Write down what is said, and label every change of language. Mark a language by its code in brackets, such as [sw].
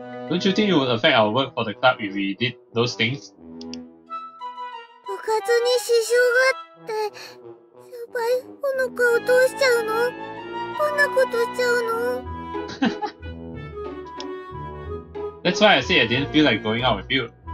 [en] Don't you think it would affect our work for the club if we did those things? [ja] 部活に支障があって、先輩、ほのかをどうしちゃうの？こんなことしちゃうの？ [en] That's why I say I didn't feel like going out with you.